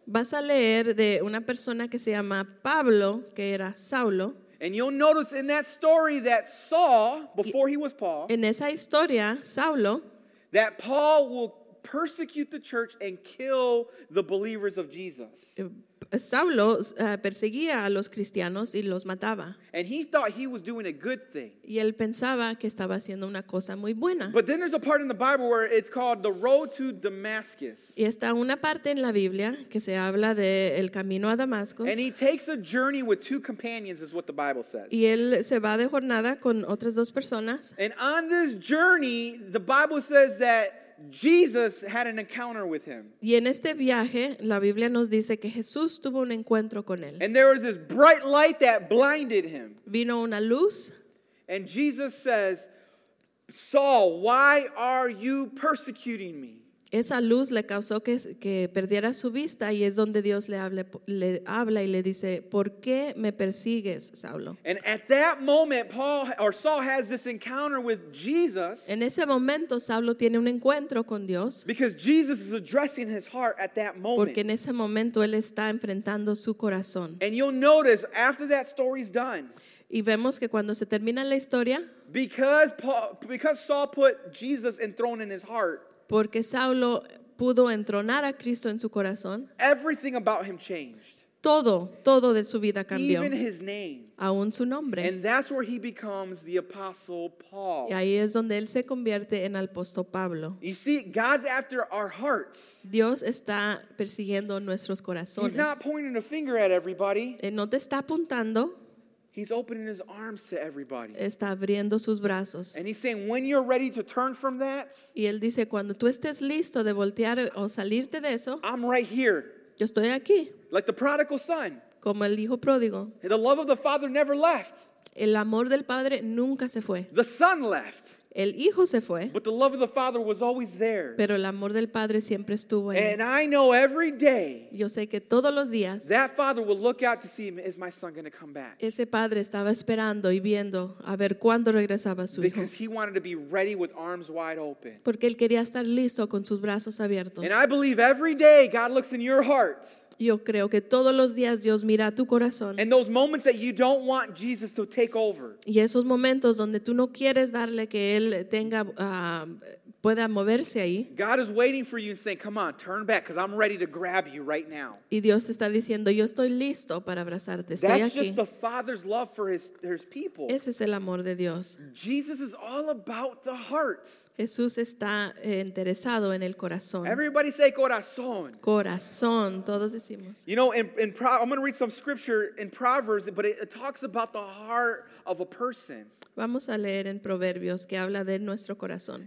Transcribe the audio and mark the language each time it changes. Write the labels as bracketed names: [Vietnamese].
[Spanish] Vas a leer de una persona que se llama Pablo, que era Saulo. [English] And you'll notice in that story that Saul, before he was Paul, [Spanish] en esa historia, Saulo, [English] that Paul will persecute the church and kill the believers of Jesus. [Spanish] Saulo perseguía a los cristianos y los mataba. [English] And he thought he was doing a good thing. [Spanish] Y él pensaba que estaba haciendo una cosa muy buena. [English] But then there's a part in the Bible where it's called the road to Damascus. [Spanish] Y está una parte en la Biblia que se habla de el camino a Damasco. [English] And he takes a journey with two companions is what the Bible says. [Spanish] Y él se va de jornada con otras dos personas. [English] And on this journey, the Bible says that Jesus had an encounter with him. [Spanish] Y en este viaje, la Biblia nos dice que Jesús tuvo un encuentro con él. [English] And there was this bright light that blinded him. [Spanish] Vino una luz. [English] And Jesus says, Saul, why are you persecuting me? [Spanish] Esa luz le causó que perdiera su vista y es donde Dios le habla y le dice, ¿por qué me persigues, Saulo? [English] And at that moment, Saul has this encounter with Jesus. [Spanish] En ese momento, Saulo tiene un encuentro con Dios. [English] Because Jesus is addressing his heart at that moment. [Spanish] Porque en ese momento, él está enfrentando su corazón. [English] And you'll notice, after that story's done, [Spanish] y vemos que cuando se termina la historia, [English] because Saul put Jesus enthroned in his heart, [Spanish] porque Saulo pudo entronar a Cristo en su corazón. [English] Everything about him changed. [Spanish] Todo de su vida cambió. [English] Even his name. [Spanish] Aún su nombre. [English] And that's where he becomes the Apostle Paul. [Spanish] Y ahí es donde él se convierte en el apóstol Pablo. [English] You see, God's after our hearts. [Spanish] Dios está persiguiendo nuestros corazones. [English] He's not pointing a finger at everybody. [Spanish] Él no te está apuntando. [English] He's opening his arms to everybody. [Spanish] Está abriendo sus brazos. [English] And he's saying, when you're ready to turn from that, [Spanish] y él dice, cuando tú estés listo de voltear o salirte de eso, [English] I'm right here. [Spanish] Yo estoy aquí. [English] Like the prodigal son. [Spanish] Como el hijo pródigo. [English] And the love of the father never left. [Spanish] El amor del padre nunca se fue. [English] The son left. [Spanish] El hijo se fue. [English] But the love of the father was always there. [Spanish] Pero el amor del padre siempre estuvo ahí. [English] And I know every day. [Spanish] Yo sé que todos los días. [English] That father will look out to see, is my son going to come back? [Spanish] Ese padre estaba esperando y viendo a ver cuándo regresaba su hijo. [English] Because he wanted to be ready with arms wide open. [Spanish] Porque él quería estar listo con sus brazos abiertos. [English] And I believe every day God looks in your heart. [Spanish] Yo creo que todos los días Dios mira a tu corazón. [English] And those moments that you don't want Jesus to take over. [Spanish] Y esos momentos donde tú no quieres darle que él tenga pueda moverse ahí. [English] God is waiting for you and saying, "Come on, turn back, because I'm ready to grab you right now." [Spanish] Y Dios te está diciendo, yo estoy listo para abrazarte. Estoy [English] That's [Spanish] aquí. [English] Just the Father's love for his people. [Spanish] Ese es el amor de Dios. [English] Jesus is all about the heart. [Spanish] Jesús está interesado en el corazón. [English] Everybody say corazón. [Spanish] Corazón, todos decimos. [English] You know, I'm going to read some scripture in Proverbs, but it talks about the heart of a person. [Spanish] Vamos a leer en Proverbios que habla de nuestro corazón.